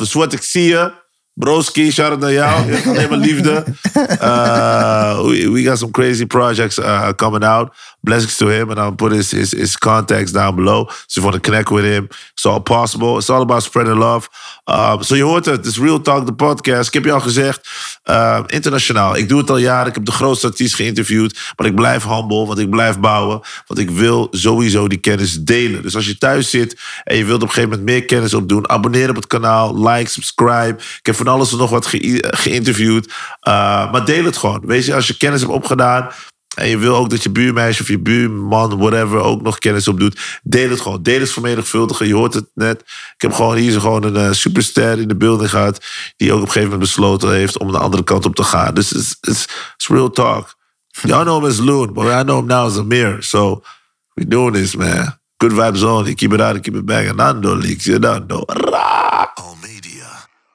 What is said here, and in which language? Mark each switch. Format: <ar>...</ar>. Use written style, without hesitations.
<en>Fuad Tixia, broski, shout out to y'all. Never leave the. We got some crazy projects coming out. Blessings to him. And I'll put his contacts down below. So if you want to connect with him, it's all possible. It's all about spreading love.</en> <nl>So je hoort het, is Real Talk, de podcast. Ik heb je al gezegd, internationaal. Ik doe het al jaren, ik heb de grootste artiest geïnterviewd. Maar ik blijf humble, want ik blijf bouwen. Want ik wil sowieso die kennis delen. Dus als je thuis zit en je wilt op een gegeven moment meer kennis opdoen, abonneer op het kanaal, like, subscribe. Ik heb van alles en nog wat geïnterviewd. Maar deel het gewoon. Weet je, als je kennis hebt opgedaan en je wil ook dat je buurmeisje of je buurman, whatever, ook nog kennis op doet, deel het gewoon. Deel het vermenigvuldigen. Je hoort het net. Ik heb gewoon hier gewoon een superster in de building gehad, die ook op een gegeven moment besloten heeft om de andere kant op te gaan. Dus</nl> <en>it's real talk. Y'all know him as Loon, but I know him now as Amir. So, we doing this, man. Good vibes on. Keep it out and keep it banging. Nando leaks. You don't know.</en>